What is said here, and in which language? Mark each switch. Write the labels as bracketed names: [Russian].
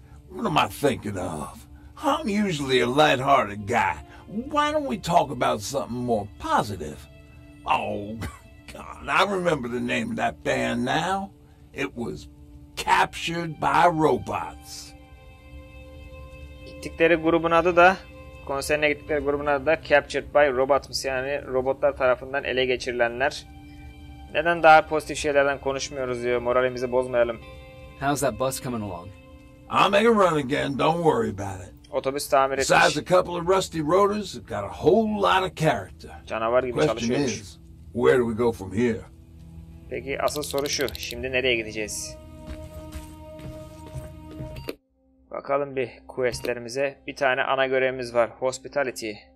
[English] What am I thinking of? I'm usually a lighthearted guy. Why don't we talk about something more positive? Oh, God, I remember the name of that band now. It was Captured by Robots. [Turkish] Gittikleri grubun adı da, konserine gittikleri grubun adı da Captured by Robots, yani robotlar tarafından ele geçirilenler. Neden daha pozitif şeylerden konuşmuyoruz diyor, moralimizi bozmayalım. [English] How's that bus coming along? I'll make a run again, don't worry about it. [Turkish] Otobüs tamir etmiş. [English] Besides a couple of rusty rotors, it's got a whole lot of character. [Turkish] Canavar gibi çalışıyormuş. [English] Question is, where do we go from here? [Turkish] Peki asıl soru şu, şimdi nereye gideceğiz? Bakalım bir questlerimize. Bir tane ana görevimiz var, Hospitality.